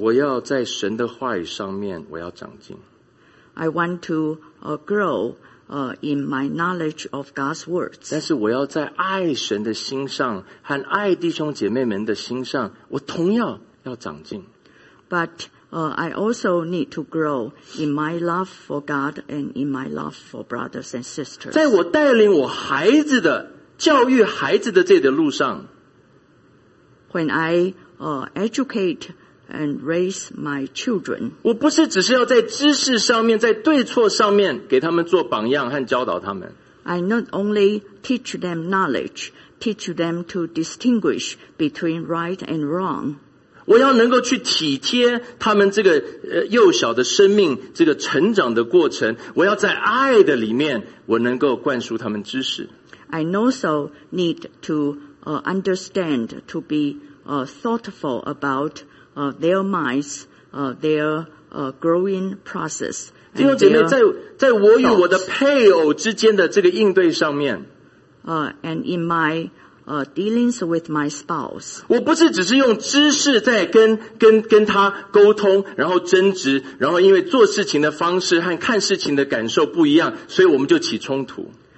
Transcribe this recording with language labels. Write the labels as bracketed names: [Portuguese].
[Chinese] 我要在神的话语上面我要长进。 [English] I want to grow in my knowledge of God's words. [Chinese] 但是我要在爱神的心上和爱弟兄姐妹们的心上我同样要长进。 [English] But I also need to grow in my love for God and in my love for brothers and sisters. [Chinese] 在我带领我孩子的教育孩子的这条路上。 [English] When I educate and raise my children. [Chinese] 我不是只是要在知识上面在对错上面给他们做榜样和教导他们。 [English] I not only teach them knowledge, teach them to distinguish between right and wrong. [Chinese] 我要能够去体贴他们这个幼小的生命这个成长的过程我要在爱的里面我能够灌输他们知识 [English] I also need to understand to be thoughtful about their minds their growing process [Chinese] 弟兄姐妹在我与我的配偶之间的这个应对上面 [English] and in myDealings with my spouse. [Chinese] 我不是只是用知识在跟他沟通，然后争执，然后因为做事情的方式和看事情的感受不一样，所以我们就起冲突。